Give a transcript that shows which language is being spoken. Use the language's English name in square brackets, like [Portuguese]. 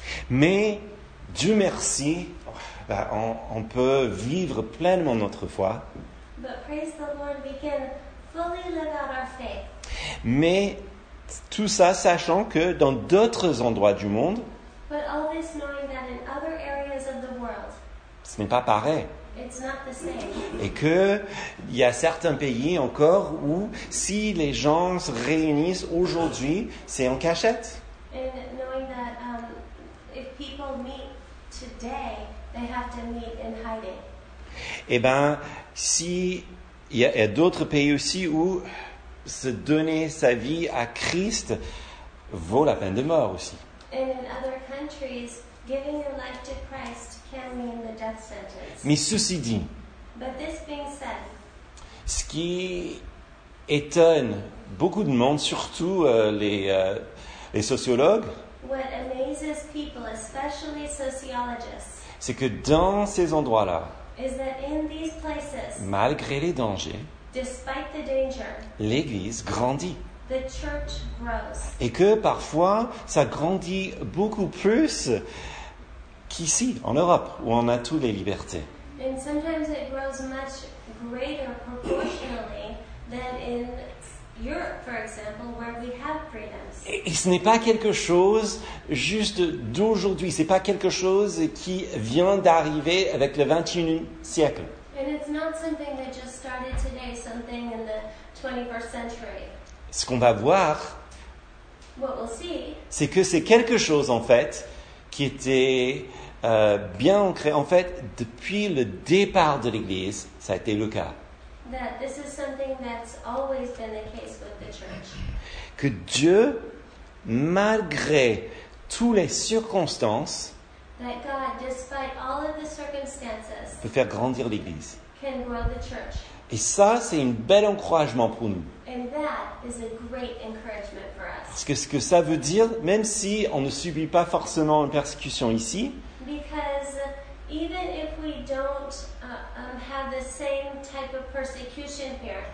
[French] Mais Dieu merci, on peut vivre pleinement notre foi. [English] But praise the Lord, we can fully live out our faith. [French] Mais tout ça sachant que dans d'autres endroits du monde, [English] but all this knowing that in other areas of the world, [French] ce n'est pas pareil. [English] It's not the same. [French] Et que il y a certains pays encore où si les gens se réunissent aujourd'hui, c'est en cachette. [English] And knowing that if people meet today, they have to meet in hiding. [French] Et ben si il y a d'autres pays aussi où se donner sa vie à Christ vaut la peine de mort aussi. [English] And in other countries, giving your life to Christ can mean the death sentence. [French] Mais ceci dit, [English] but this being said, [French] ce qui étonne beaucoup de monde, surtout les sociologues, [English] what amazes people, especially sociologists, [French] c'est que dans ces endroits-là, [English] is that in these places, [French] malgré les dangers, [English] despite the danger, [French] l'Église grandit. [English] The church grows. [French] Et que parfois, ça grandit beaucoup plus qu'ici, en Europe, où on a toutes les libertés. [English] And sometimes it grows much greater proportionally than in Europe, for example, where we have freedoms. [French] Et ce n'est pas quelque chose juste d'aujourd'hui. Ce n'est pas quelque chose qui vient d'arriver avec le 21e siècle. [English] And it's not something that just started today, something in the 21st century. [French] Ce qu'on va voir, [English] what we'll see, [French] c'est que c'est quelque chose, en fait, qui était bien ancré. En fait, depuis le départ de l'Église, ça a été le cas. [English] That this is something that's always been the case with the church. [French] Que Dieu, malgré toutes les circonstances, [English] that God, despite all of the circumstances, [French] peut faire grandir l'Église. [English] Can grow the church. [French] Et ça, c'est un bel encouragement pour nous. [English] And that is a great encouragement for us. [French] Parce que ce que ça veut dire, même si on ne subit pas forcément une persécution ici, [English] because even if we don't have the same type of persecution here,